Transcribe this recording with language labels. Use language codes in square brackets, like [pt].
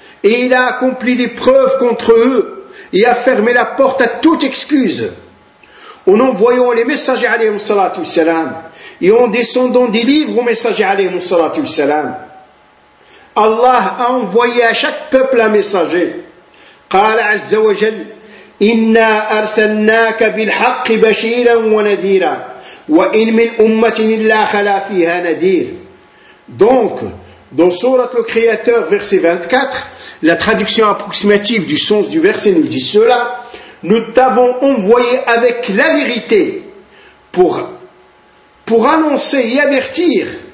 [fr] Et il a accompli les preuves contre eux et a fermé la porte à toute excuse. En envoyant les messagers, alayhi salatu wassalam, et en descendant des livres au messager alayhi salatu wa salam, Allah a envoyé à chaque peuple un messager. [ar] قال عز وجل إنا أرسلناك بالحق بشيرا ونذيرا وإن من أمة إلا خلا فيها نذير. [fr] Donc, dans Sourate le Créateur, verset 24, la traduction approximative du sens du verset nous dit cela: nous t'avons envoyé avec la vérité pour annoncer et avertir.